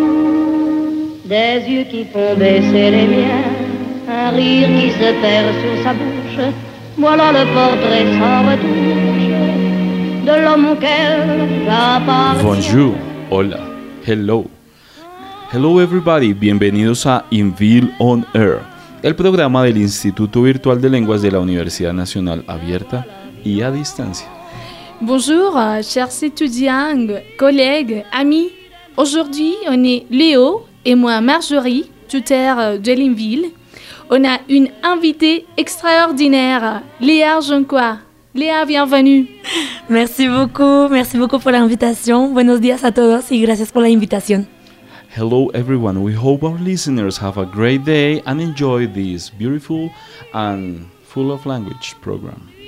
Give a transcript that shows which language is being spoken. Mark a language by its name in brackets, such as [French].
[English] In the mirror. [French] Des yeux qui font baisser les miens, un rire qui se perd sur sa bouche, voilà le portrait sans retouche. Bonjour, [Spanish] hola, [English] hello. Hello everybody, [Spanish] bienvenidos a Inville on Air, el programa del Instituto Virtual de Lenguas de la Universidad Nacional Abierta y a Distancia. [French] Bonjour, chers étudiants, collègues, amis. Aujourd'hui, on est Léo et moi Marjorie, tuteur de l'Inville. On a une invitée extraordinaire, Léa Jonquois. Léa, bienvenue. Merci beaucoup pour l'invitation. [Spanish] Buenos días a todos y gracias por la invitación. [English] Hello everyone, we hope our listeners have a great day and enjoy this beautiful and full of language program.